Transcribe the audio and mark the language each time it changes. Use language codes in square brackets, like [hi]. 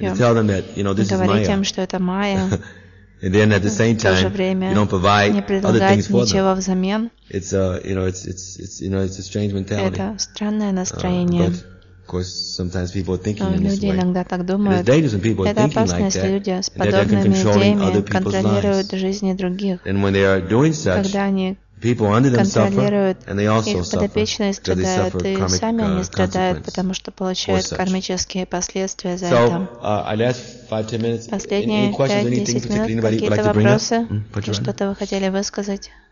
[en] You tell them that, you know, this is Maya. And then at the same time, you don't provide other things for them. It's it's a strange mentality. Of course, sometimes people are thinking in this way. [ru] Иногда так думают. [en] It's dangerous when people are thinking like that. [ru] Люди с подобными идеями контролируют жизни других. [en] And when they are doing such, People under them suffer, and they also suffer, because they suffer karmic consequences. [ru] Потому что получают кармические последствия за это. [en] So, I left 5-10 minutes. [ru] Последние 5-10 минут. Какие-то вопросы? Или что-то вы хотели высказать?